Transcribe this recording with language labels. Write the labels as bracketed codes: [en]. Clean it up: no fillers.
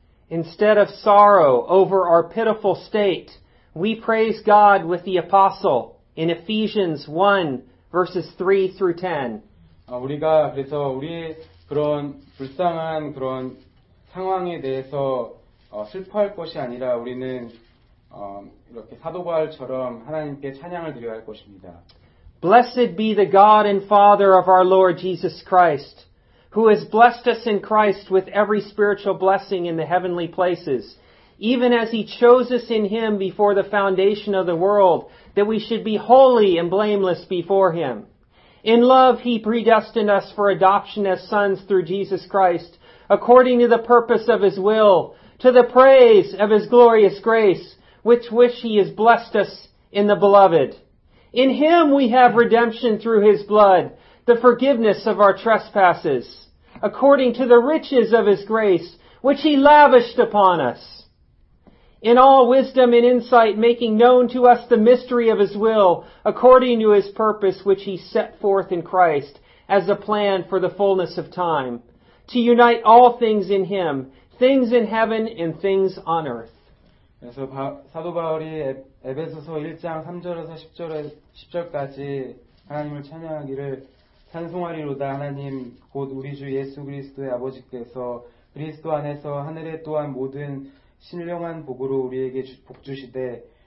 [en] Instead of sorrow over our pitiful state, we praise God with the apostle in Ephesians 1:3-10. [ko] 우리가 그래서 우리의 그런 불쌍한 그런 상황에 대해서 슬퍼할 것이 아니라 우리는 이렇게 사도바울처럼 하나님께 찬양을 드려야 할 것입니다. [en] Blessed be the God and Father of our Lord Jesus Christ, who has blessed us in Christ with every spiritual blessing in the heavenly places, even as he chose us in him before the foundation of the world, that we should be holy and blameless before him. In love he predestined us for adoption as sons through Jesus Christ, according to the purpose of his will, to the praise of his glorious grace, with which he has blessed us in the Beloved. In him we have redemption through his blood, the forgiveness of our trespasses, according to the riches of his grace, which he lavished upon us. In all wisdom and insight, making known to us the mystery of his will, according to his purpose, which he set forth in Christ as a plan for the fullness of time, to unite all things in him, things in heaven and things on earth. [ko] 그래서 사도 바울이 에베소서 1장 3절에서 10절까지 하나님을 찬양하기를 찬송하리로다 하나님 곧 우리 주 예수 그리스도의 아버지께서 그리스도 안에서 하늘에 또한 모든 신령한 복으로 우리에게 복주시되